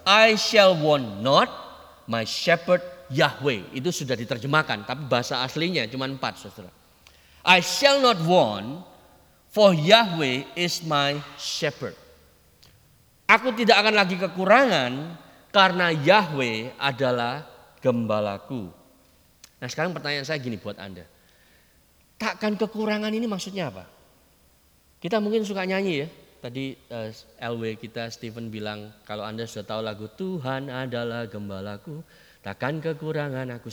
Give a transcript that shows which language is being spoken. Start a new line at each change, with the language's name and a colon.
English: I shall want not, my shepherd Yahweh.
Indonesian: Itu sudah diterjemahkan, tapi bahasa aslinya cuma 4, saudara.
English: I shall not want, for Yahweh is my shepherd.
Indonesian: Aku tidak akan lagi kekurangan karena Yahweh adalah gembalaku. Nah sekarang pertanyaan saya gini buat Anda. Takkan kekurangan ini maksudnya apa? Kita mungkin suka nyanyi ya. Tadi LW kita Stephen bilang, kalau Anda sudah tahu lagu Tuhan adalah gembalaku, takkan kekurangan aku.